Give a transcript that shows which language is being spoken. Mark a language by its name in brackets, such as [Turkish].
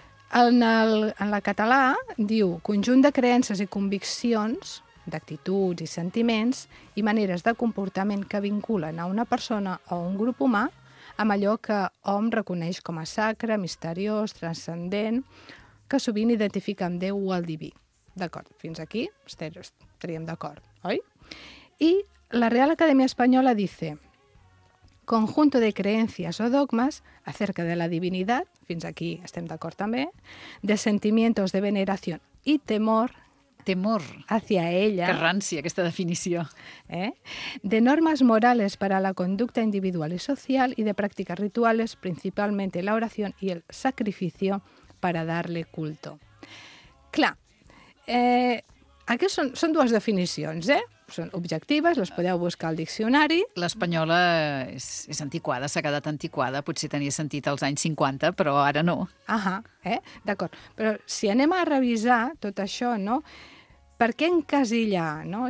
[Catalan] En la català diu conjunt de creences i conviccions, d'actituds i sentiments i maneres de comportament que vinculen a una persona o un grup humà amb allò que hom reconeix com a sacre, misteriós, transcendent, que sovint identifica amb Déu o el diví. D'acord, fins aquí estaríem d'acord, oi? [Spanish] Y la Real Academia Española dice, conjunto de creencias o dogmas acerca de la divinidad, [Catalan] fins aquí estem d'acord també, [Spanish] de sentimientos de veneración y temor hacia ella. Que rancia [Catalan] aquesta definició. [Spanish] De normas morales para la conducta individual y social y de prácticas rituales, principalmente la oración y el sacrificio para darle culto. [Catalan] Clar, aquestes són dues definicions, Són objectives, les podeu buscar al diccionari. L'espanyola és antiquada, s'ha quedat antiquada. Potser tenia sentit als anys 50, però ara no. D'acord. Però si anem a revisar tot això, no? Per què encasillar, no?